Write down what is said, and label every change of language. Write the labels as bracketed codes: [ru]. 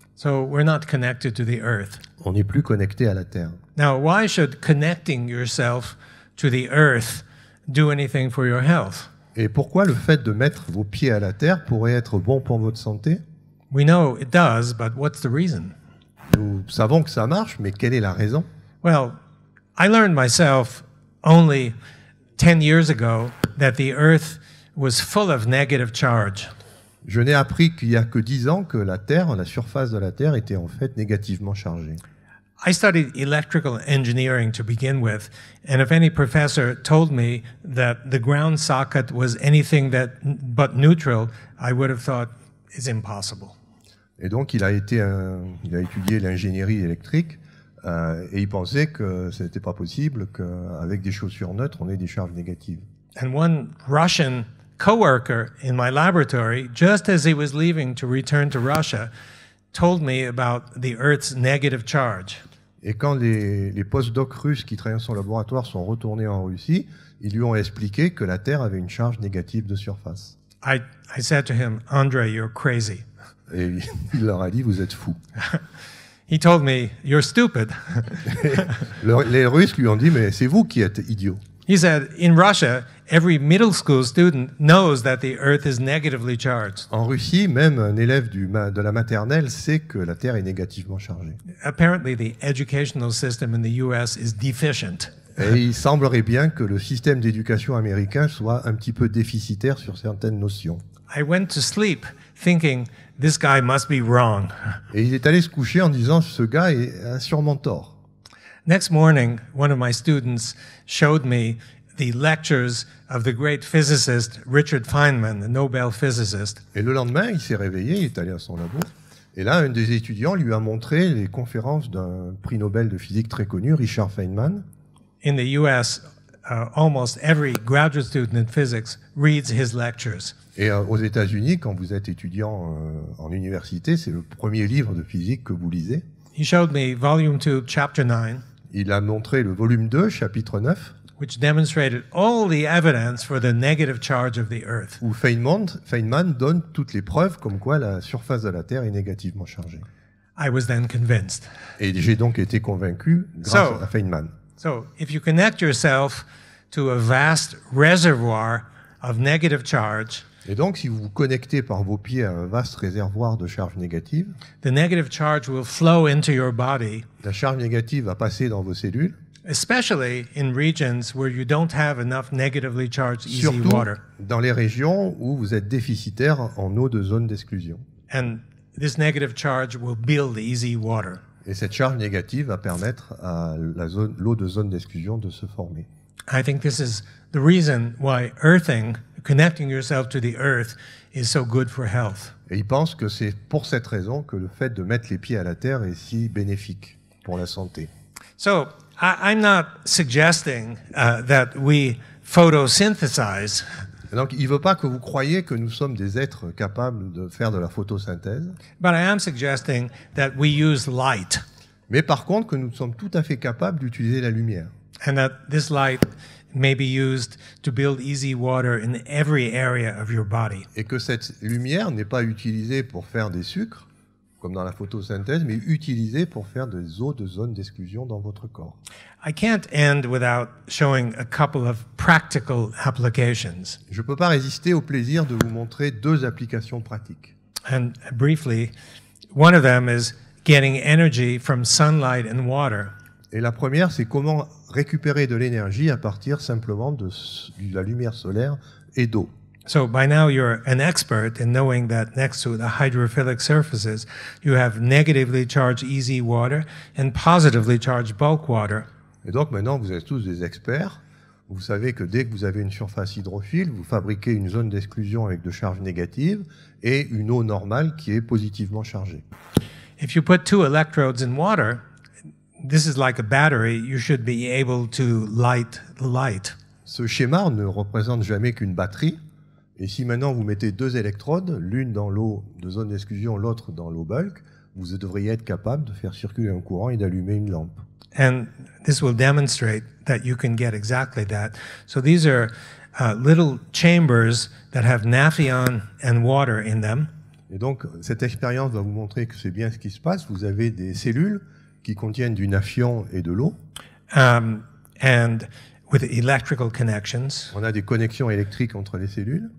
[en] So we're not connected to the earth. [fr] On n'est plus connecté à la terre. [en] Now, why should connecting yourself to the earth do anything for your health? [fr] Et pourquoi le fait de mettre vos pieds à la terre pourrait être bon pour votre santé? [en] We know it does, but what's the reason? [fr] Nous savons que ça marche, mais quelle est la raison? [en] Well, I learned myself only 10 years ago that the earth was full of negative charge. [fr] Je n'ai appris qu'il y a que 10 ans que la Terre, la surface de la Terre, était en fait négativement chargée. [en] I studied electrical engineering to begin with, and if any professor told me that the ground socket was anything that but neutral, I would have thought it's impossible. [fr] Et donc il a étudié l'ingénierie électrique et il pensait que ce n'était pas possible qu'avec des chaussures neutres, on ait des charges négatives. [en] And one Russian coworker in my laboratory, just as he was leaving to return to Russia, told me about the Earth's negative charge. [fr] Et quand les post-docs russes qui travaillaient dans son laboratoire sont retournés en Russie, ils lui ont expliqué que la Terre avait une charge négative de surface. [en] I said to him, Andre, you're crazy. [fr] Et il leur a dit, vous êtes fou. [en] He told me, you're stupid. [fr] Les Russes lui ont dit, mais c'est vous qui êtes idiot. [en] He said, in Russia, every middle school student knows that the Earth is negatively charged. [fr] En Russie, même un élève de la maternelle sait que la Terre est négativement chargée. [en] Apparently, the educational system in the U.S. is deficient. [fr] Et il semblerait bien que le système d'éducation américain soit un petit peu déficitaire sur certaines notions. [en] I went to sleep thinking, this guy must be wrong. [fr] Et il est allé se coucher en disant, ce gars a sûrement tort. [en] Next morning, one of my students showed me the lectures of the great physicist Richard Feynman, the Nobel physicist. [fr] Et le lendemain, il s'est réveillé, il est allé à son labo, et là, un des étudiants lui a montré les conférences d'un prix Nobel de physique très connu, Richard Feynman. [en] In the U.S., almost every graduate student in physics reads his lectures. [fr] Et aux États-Unis, quand vous êtes étudiant en université, c'est le premier livre de physique que vous lisez. [en] He showed me volume 2, chapter 9. [fr] Il a montré le volume 2, chapitre 9. [en] Which demonstrated all the evidence for the negative charge of the Earth. [fr] Où Feynman donne toutes les preuves comme quoi la surface de la Terre est négativement chargée. [en] I was then convinced. [fr] Et j'ai donc été convaincu grâce à Feynman. [en] So, if you connect yourself to a vast reservoir of negative charge, [fr] et donc, si vous vous connectez par vos pieds à un vaste réservoir de charges négatives, [en] the negative charge will flow into your body, [fr] la charge négative va passer dans vos cellules, [en] especially in regions where you don't have enough negatively charged easy water. [fr] Surtout dans les régions où vous êtes déficitaire en eau de zone d'exclusion. [en] And this negative charge will build easy water. [fr] Et cette charge négative va permettre à l'eau de zone d'exclusion de se former. [en] I think this is the reason why earthing, connecting yourself to the earth, is so good for health. [fr] Et il pense que c'est pour cette raison que le fait de mettre les pieds à la terre est si bénéfique pour la santé. [en] So, I'm not suggesting that we photosynthesize. [fr] Donc, il ne veut pas que vous croyiez que nous sommes des êtres capables de faire de la photosynthèse. [en] But I am suggesting that we use light. [fr] Mais par contre, que nous sommes tout à fait capables d'utiliser la lumière. [en] And that this light may be used to build easy water in every area of your body. [fr] Et que cette lumière n'est pas utilisée pour faire des sucres, comme dans la photosynthèse, mais utilisée pour faire des eaux de zone d'exclusion dans votre corps. [en] I can't end without showing a couple of practical applications. [fr] Je ne peux pas résister au plaisir de vous montrer deux applications pratiques. [en] And briefly, one of them is getting energy from sunlight and water. [fr] Et la première, c'est comment récupérer de l'énergie à partir simplement de la lumière solaire et d'eau. [en] So by now you're an expert in knowing that next to the hydrophilic surfaces, you have negatively charged easy water and positively charged bulk water. [fr] Et donc maintenant vous êtes tous des experts. Vous savez que dès que vous avez une surface hydrophile, vous fabriquez une zone d'exclusion avec de charges négatives et une eau normale qui est positivement chargée. [en] If you put two electrodes in water, this is like a battery, you should be able to light the light. [fr] Ce schéma ne représente jamais qu'une batterie. Et si maintenant vous mettez deux électrodes, l'une dans l'eau de zone d'exclusion, l'autre dans l'eau bulk, vous devriez être capable de faire circuler un courant et d'allumer une lampe. [en] And this will demonstrate that you can get exactly that. So these are little chambers that have naphthion and water in them. [fr] Et donc cette expérience va vous montrer que c'est bien ce qui se passe. Vous avez des cellules qui contiennent du naphthion et de l'eau. [en] And with electrical connections. [fr] On a des connexions électriques entre les cellules.